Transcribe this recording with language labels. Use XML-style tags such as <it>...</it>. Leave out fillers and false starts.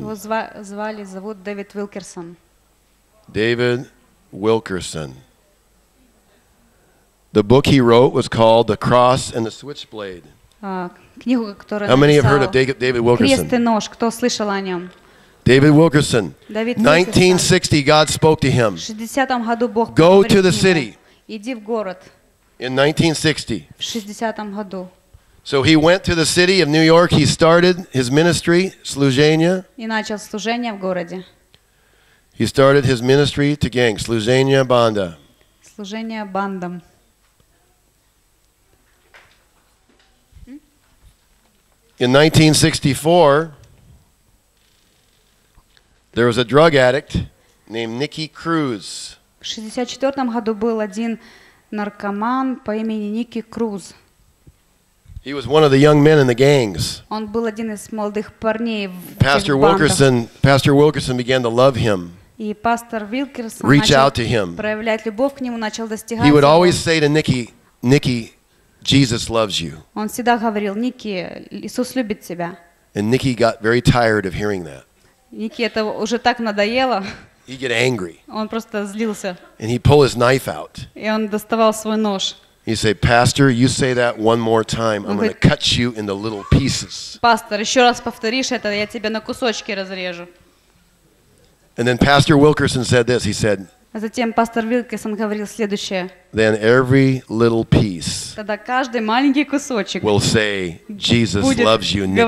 <ru>Его звали, зовут Дэвид Уилкерсон.</ru> <en>David Wilkerson. The book he wrote was called "The Cross and the Switchblade."</en> <ru>Книгу, которую написал.</ru> <en>How many have heard of David Wilkerson?</en> <ru>Крест и нож. Кто слышал о нем?</ru> <en>David Wilkerson.</en> <ru>Давид</ru> <en>Уилкерсон. 1960, God spoke to him.</en> <ru>В 60-м году Бог говорит ему.</ru> <en>Go to the city.</en> <ru>Иди в город.</ru> <en>In 1960.</en> <ru>В 60-м году.</ru> <en>So he went to the city of New York. He started his ministry,</en> <ru>служение. И начал служение в городе.</ru> <en>He started his ministry to gangs,</en> <ru>служение банда. Служение бандам.</ru> <en>In 1964, there was a drug addict named Nicky Cruz.</en> <ru>В 64-м году был один наркоман по имени Ники Круз.</ru> <en>He was one of the young men in the gangs.</en> <ru>Он был один из молодых парней в бандах.</ru> <en>Pastor Wilkerson began to love him.</en> <ru>И пастор Уилкерсон</ru> <en>reach out to him.</en> <ru>Проявлять любовь к нему начал достигать.</ru> <en>He would always say to Nicky, Jesus loves you.</en> <ru>Он всегда говорил, Ники, Иисус любит тебя.</ru> <en>And Nicky got very tired of hearing that.</en> <ru>Ники это уже так надоело.</ru> <en>He'd get angry.</en> <ru>Он просто злился.</ru> <en>And he'd pull his knife out.</en> <ru>И он доставал свой нож.</ru> <en>He said, "Pastor, you say that one more time, I'm going to cut you into little pieces."</en> <ru>Пастор, еще раз повторишь это, я тебя на кусочки разрежу.</ru> <en>And then Pastor Wilkerson said this. He said.</en> <ru>А затем пастор Уилкерсон говорил следующее.</ru> <en>Then every little piece.</en> <ru>Тогда каждый маленький кусочек.</ru> <en>Will say, "Jesus loves you, Nicky."</en>